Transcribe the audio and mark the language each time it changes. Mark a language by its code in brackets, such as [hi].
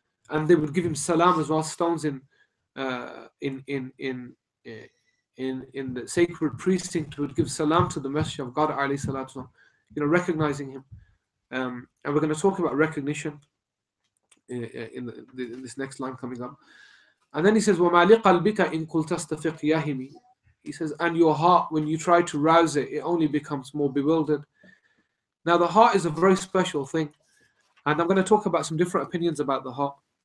[en] And they would give him salam as well, stones in the sacred precinct would give salam to the Messenger of God, alayhi salatu wasalam, you know, recognizing him. And we're going to talk about recognition in this next line coming up. And then he says, [ar] وَمَا لِقَلْبِكَ إِن كُلْتَ اسْتَفِقْ يَهِمِ. [en] He says, and your heart, when you try to rouse it, it only becomes more bewildered. Now, the heart is a very special thing. And I'm going to talk about some different opinions about the heart.